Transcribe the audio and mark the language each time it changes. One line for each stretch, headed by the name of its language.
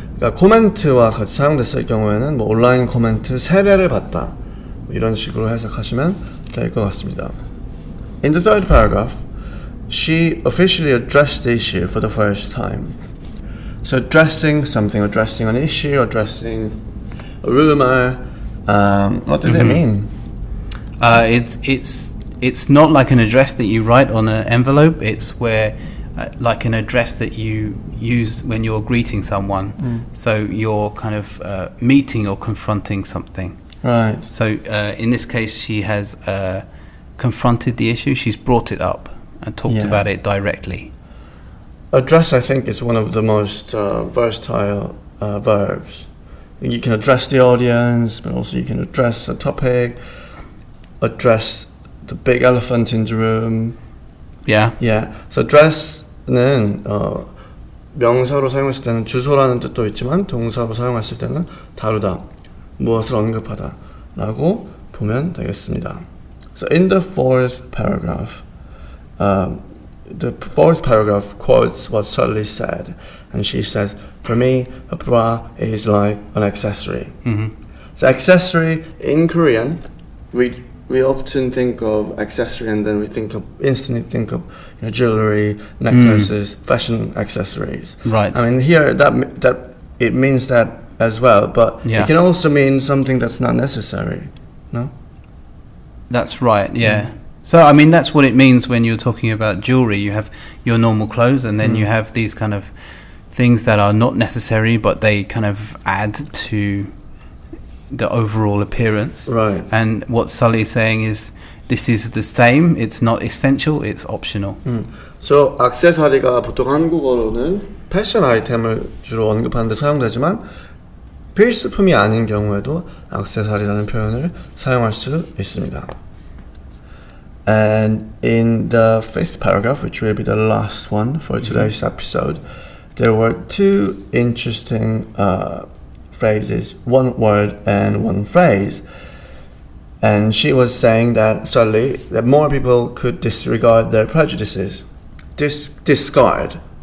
Korean: 그러니까 코멘트와 같이 사용됐을 경우에는 뭐 온라인 코멘트 세례를 받다 뭐 이런 식으로 해석하시면 될 것 같습니다.
English: In the third paragraph, she officially addressed the issue for the first time. So addressing something, addressing an issue, addressing a rumor. What does it mean? It's not like an address that you write on an envelope. It's where, like an address that you use when you're greeting someone. Mm. So you're kind of meeting or confronting something. Right. So in this case, she has confronted the issue. She's brought it up and talked about it directly. Address, I think, is one of the most versatile verbs. You can address the audience, but also you can address a topic. Address the big elephant in the room. Yeah. Yeah. So address는
Korean: 명사로 사용했을 때는 주소라는 뜻도 있지만 동사로 사용했을 때는 다루다, 무엇을 언급하다 라고 보면 되겠습니다.
English: So in the fourth paragraph, the fourth paragraph quotes what Sully said, and she says, "For me, a bra is like an accessory." Mm-hmm. So accessory in Korean, we often think of accessory, and then we think of you know, jewelry, necklaces, fashion accessories. Right. I mean, here that it means that as well, but yeah. It can also mean something that's not necessary. No. That's right. Yeah. Mm. So, I mean, that's what it means when you're talking about jewelry. You have your normal clothes, and then you have these kind of things that are not necessary, but they kind of add to the overall appearance. Right. And what Sully is saying is, this is the same. It's not essential. It's optional.
Korean: So, 액세서리가 보통 한국어로는 패션 아이템을 주로 언급하는데 사용되지만 필수품이 아닌 경우에도 액세서리라는 표현을 사용할 수 있습니다.
English: And in the fifth paragraph, which will be the last one for today's episode, there were two interesting phrases, one word and one phrase. And she was saying that suddenly that more people could disregard their prejudices, discard.